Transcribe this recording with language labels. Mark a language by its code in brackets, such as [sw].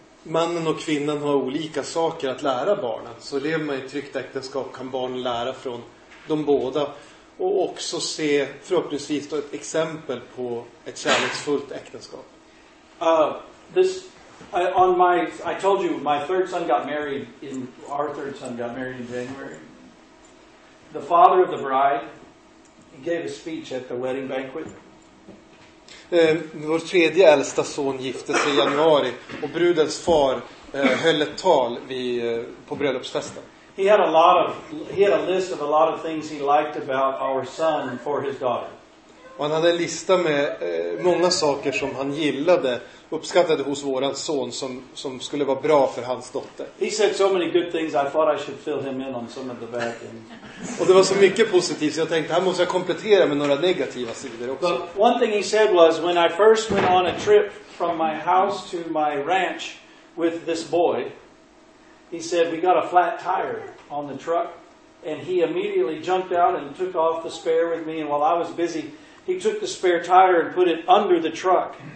[sv] Mannen och kvinnan har olika saker att lära barnen. Så lever man i tryggt äktenskap kan barnen lära från de båda. Och också se förhoppningsvis ett exempel på ett kärleksfullt äktenskap. [en] This I told you my third son got married in our third son got married in January. The father of the bride, he gave a speech at the wedding banquet. [sv] Vår tredje äldsta son gifte sig i januari och brudens far höll ett tal på bröllopsfesten. [en] He had a list of a lot of things he liked about our son for his daughter. [sv] Och han hade en lista med många saker som han gillade, uppskattade hos våran son som skulle vara bra för hans dotter. [en] He said so many good things I thought I should fill him in on some of the bad things. [sv] Och det var så mycket positivt så jag tänkte här måste jag komplettera med några negativa sidor också. [en] But one thing he said was when I first went on a trip from my house to my ranch with this boy, he said we got a flat tire on the truck and he immediately jumped out and took off the spare with me, and while I was busy he took the spare tire and put it under the truck.